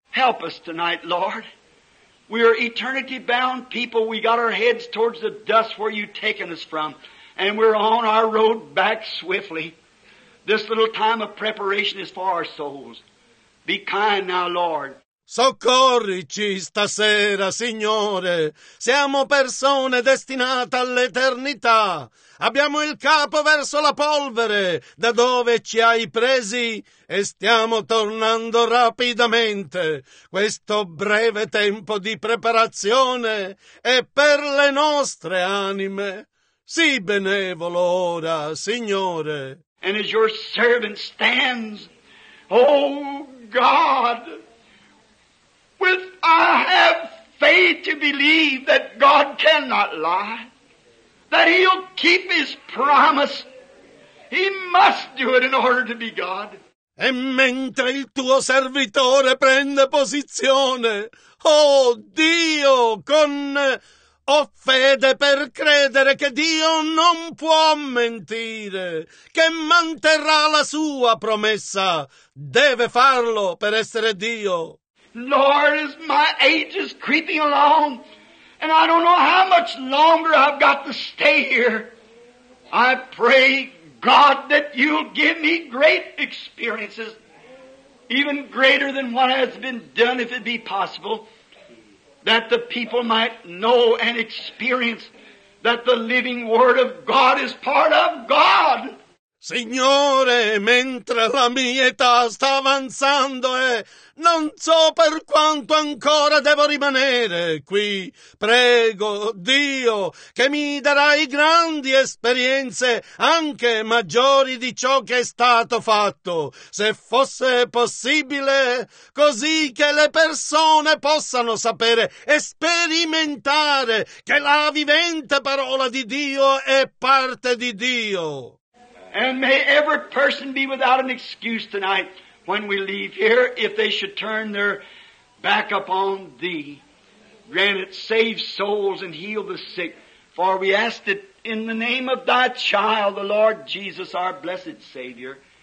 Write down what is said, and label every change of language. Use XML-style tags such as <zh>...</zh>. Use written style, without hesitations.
<en>Help us tonight, Lord. We are eternity-bound people. We got our heads towards the dust where you've taken us from. And we're on our road back swiftly. This little time of preparation is for our souls. Be kind now, Lord.</en> <it>Soccorrici stasera, Signore. Siamo persone destinate all'eternità. Abbiamo il capo verso la polvere, da dove ci hai presi, e stiamo tornando rapidamente. Questo breve tempo di preparazione è per le nostre anime. Sii benevolo ora, Signore.</it> <en>And as your servant stands, oh God, with I have faith to believe that God cannot lie, that He'll keep His promise. He must do it in order to be God.</en> <it>E mentre il tuo servitore prende posizione, oh Dio, ho fede per credere che Dio non può mentire, che manterrà la sua promessa. Deve farlo per essere Dio.</it> <en>Lord, as my age is creeping along, and I don't know how much longer I've got to stay here, I pray, God, that you'll give me great experiences, even greater than what has been done, if it be possible, that the people might know and experience that the living Word of God is part of God.</en> <it>Signore, mentre la mia età sta avanzando e non so per quanto ancora devo rimanere qui, prego Dio che mi darai grandi esperienze, anche maggiori di ciò che è stato fatto, se fosse possibile, così che le persone possano sapere e sperimentare che la vivente parola di Dio è parte di Dio.</it> <en>And may every person be without an excuse tonight when we leave here if they should turn their back upon Thee. Grant it, save souls and heal the sick. For we ask it in the name of Thy child, the Lord Jesus, our blessed Savior.</en>